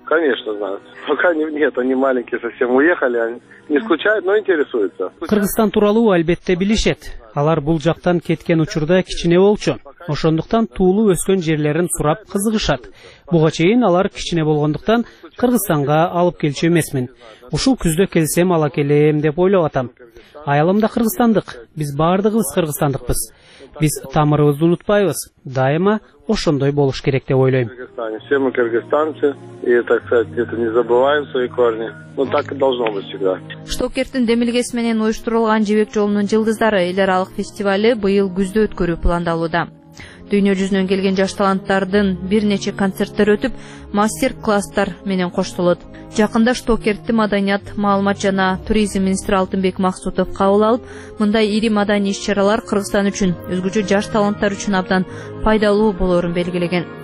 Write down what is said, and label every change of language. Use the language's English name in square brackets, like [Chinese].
[Russian] Конечно, знают. Пока нет, они маленькие совсем, уехали, они не скучают, но интересуются. [Kyrgyz] Кыргызстан тууралуу албетте билишет. Алар бул жактан кеткен учурда кичине болчу. Ошондуктан туулуп өскөн жерлерин сурап кызыгышат. Буга чейин алар кичине болгондуктан Кыргызстанга алып келчү эмесмин. Ушул күздө келсем ала келем деп ойлоп атам. Айылым да кыргызстандык. Биз баардыгыбыз кыргызстандыкпыз. Биз тамырыбызды унутпайбыз. Дайыма ошондой болуш керек деп ойлойм. [Russian] Все мы кыргызстанцы, и так сказать, где-то не забываем свои корни. Ну так и должно быть всегда. [Kyrgyz] Штокерттин демилгеси менен уюштурулган Жибек жолунун жылдыздары эл аралык фестивали быйыл күздө өткөрүү пландалууда. Дүйнө жүзүнөн келген жаш таланттардын бир нече концерттер өтүп, мастер-класстар менен коштолот. Жакында Штокертти маданият, маалымат жана туризм министри Алтынбек Максутов кабыл алып, мындай ири маданий иш-чаралар Кыргызстан үчүн, өзгөчө жаш таланттар үчүн абдан пайдалуу болорун белгилеген.